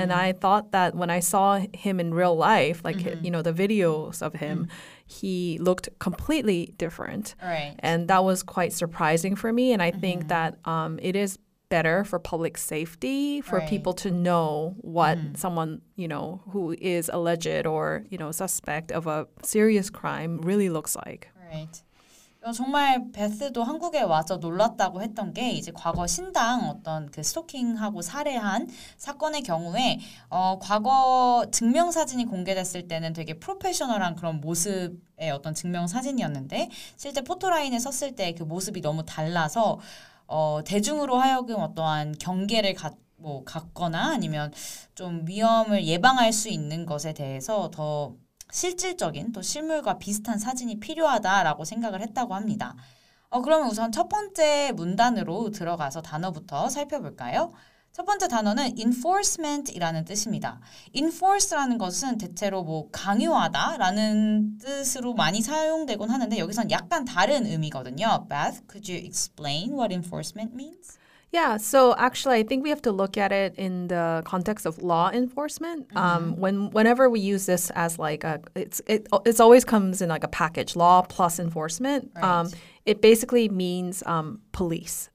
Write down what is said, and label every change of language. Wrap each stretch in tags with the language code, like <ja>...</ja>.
<en>And I thought that when I saw him in real life, like, you know, the videos of him, he looked completely different. Right. And that was quite surprising for me. And I think that it is better for public safety for people to know what someone, you know, who is alleged or, you know, suspect of a serious crime really looks like. Right.</en> <ko>정말 베스도 한국에 와서 놀랐다고 했던 게 이제 과거 신당 어떤 그 스토킹하고 살해한 사건의 경우에 과거 증명사진이 공개됐을 때는 되게 프로페셔널한 그런 모습의 어떤 증명사진이었는데 실제 포토라인에 섰을 때 그 모습이 너무 달라서 대중으로 하여금 어떠한 경계를 갖거나 아니면 좀 위험을 예방할 수 있는 것에 대해서 더 실질적인 또 실물과 비슷한 사진이 필요하다라고 생각을 했다고 합니다. 그러면 우선 첫 번째 문단으로 들어가서 단어부터 살펴볼까요? 첫 번째 단어는 enforcement이라는 뜻입니다. enforce라는 것은 대체로 뭐 강요하다라는 뜻으로 많이 사용되곤 하는데 여기선 약간 다른 의미거든요.</ko> <en>Beth, could you explain what enforcement means? Yeah, so actually, I think we have to look at it in the context of law enforcement. Whenever we use this as like a, it's always comes in like a package, law plus enforcement. Right. It basically means police.</en>